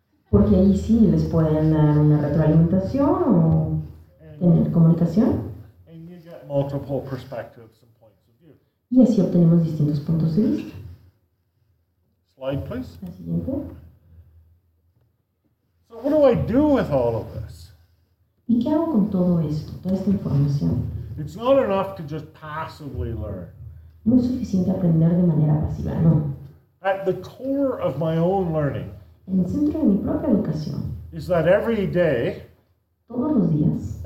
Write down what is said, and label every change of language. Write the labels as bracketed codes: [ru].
[es] Porque ahí sí les pueden dar una retroalimentación o tener comunicación. [en] And you get multiple perspectives and points of view. [es] Y así obtenemos distintos puntos de vista. [en] Slide, please. [es] La siguiente. [en] So what do I do with all of this? [es] ¿Y qué hago con todo esto, toda esta información? [en] It's not enough to just passively learn. [es] No es suficiente aprender de manera pasiva, no. [en] At the core of my own learning, [es] en el centro de mi propia educación, [en] is that every day, [es] todos los días,